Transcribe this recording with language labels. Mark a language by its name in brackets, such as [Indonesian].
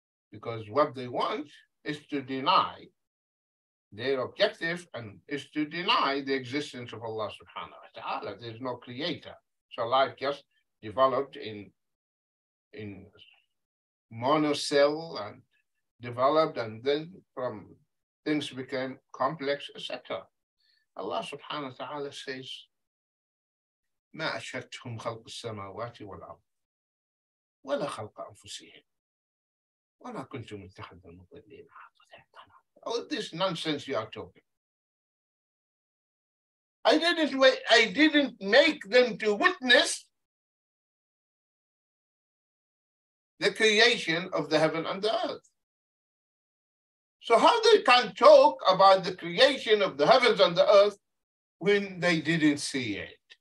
[English] Because what they want is to deny their objective, and is to deny the existence of Allah subhanahu wa ta'ala. There's no creator. So life just developed in monocell and developed, and then from things became complex, etc. Allah subhanahu wa ta'ala says, [Arabic] ما أشهدتهم خلق السماوات والأرض ولا خلق أنفسهم وما كنت متخذ المضلين عضدين. [English] All this nonsense you are talking. I didn't make them to witness the creation of the heaven and the earth. So how they can talk about the creation of the heavens and the earth when they didn't see it?